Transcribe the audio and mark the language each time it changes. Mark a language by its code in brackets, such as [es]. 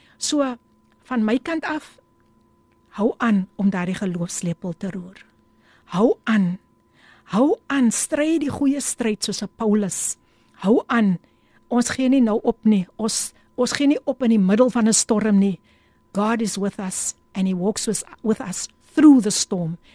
[af] So, van my kant af, hou aan om daardie geloofslepel te roer. Hou aan. Hou aan, stry die goeie stryd soos 'n Paulus. Hou aan. Ons gee nie nou op nie. Ons gee nie op in die middel van 'n storm nie. [en] God is with us and he walks with us through the storm.